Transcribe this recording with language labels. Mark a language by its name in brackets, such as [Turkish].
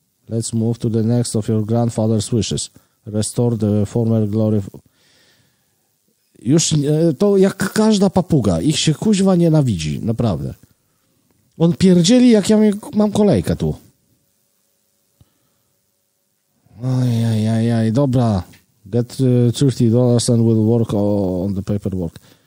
[English] Let's move to the next of your grandfather's wishes. Restore the former glory. [Polish] Już to jak każda papuga. Ich się kuźwa nienawidzi, naprawdę. On pierdzieli, jak ja mam kolejkę tu. Ajajajaj, dobra. [English] Get $30 and we'll work on the paperwork.